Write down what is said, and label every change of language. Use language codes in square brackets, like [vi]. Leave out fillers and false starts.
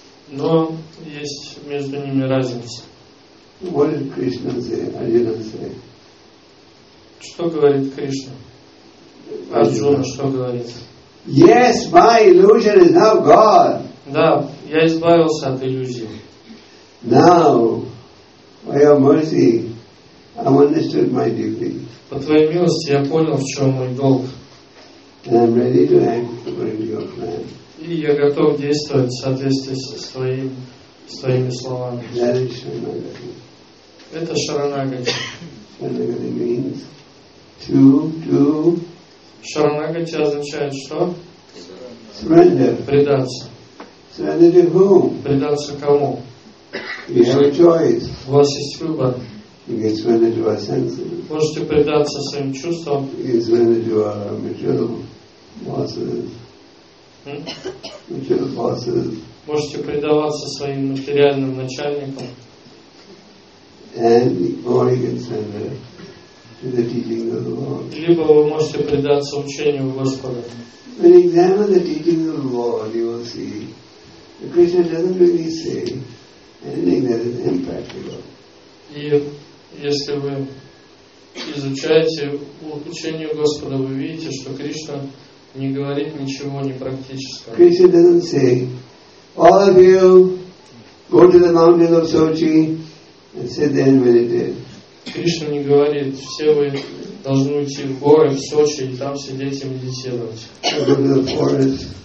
[ru] Но есть между ними разница. [en] What did Krishna say? Arjuna say. [ru] Что говорит Кришна? Арджуна, что говорит? [en] Yes, my illusion is now gone. [ru] Да, я избавился от иллюзии. [en] Now, by your mercy, I understood my duty. [ru] По твоей милости я понял, в чем мой долг. [en] And I'm ready to act according to your plan. [ru] И я готов действовать в соответствии со своими словами. [en] That is Sharanagati. [ru] Это Шаранагати. [en] Шаранагати means to. [ru] Шаранагати означает что? [en] Surrender. [ru] Предаться. [en] Surrender to whom? [ru] Предаться кому? [en] You have a choice. [ru] У вас есть выбор. [en] You can surrender to our senses. [ru] Можете предаться своим чувствам. [en] You can surrender to our material losses. Material losses. [ru] Можете предаваться своим материальным начальникам. [en] And or you can surrender to the teaching of the Lord. [ru] Либо вы можете предаться учению Господа. [en] When you examine the teaching of the Lord, you will see that Krishna doesn't really say anything that is impractical. [ru] Если вы изучаете учение Господа, вы видите, что Кришна не говорит ничего непрактического. [en] Krishna doesn't say, all of you go to the mountain of Sochi and sit there and meditate. [ru] Кришна не говорит, все вы должны уйти в горы, в Сочи, и там сидеть и медитировать.